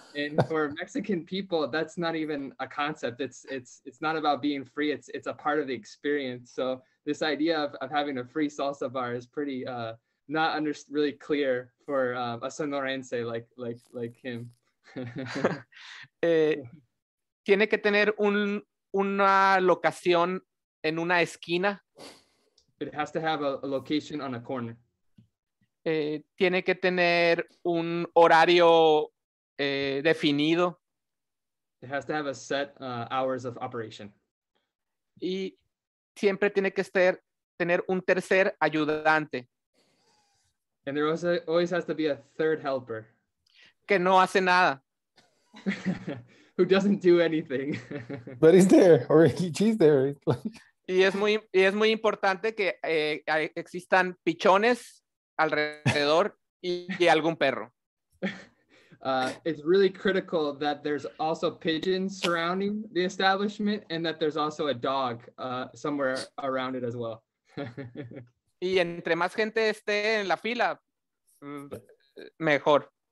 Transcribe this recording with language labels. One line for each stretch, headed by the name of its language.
English: And for Mexican people, that's not even a concept. It's not about being free. It's a part of the experience. So this idea of having a free salsa bar is pretty really clear for a Sonorense like him.
Spanish: Tiene que tener una locación en una esquina.
English: It has to have a location on a corner.
Spanish: Tiene que tener un horario definido.
English: It has to have a set hours of operation.
Spanish: Y siempre tiene que tener un tercer ayudante.
English: And there always has to be a third helper.
Spanish: Que no hace nada.
English: Who doesn't do anything. But he's there, or she's there.
Spanish: Y es muy importante que existan pichones alrededor y algún perro.
English: It's really critical that there's also pigeons surrounding the establishment and that there's also a dog somewhere around it as well.
Spanish: Y entre más gente esté en la fila, mejor.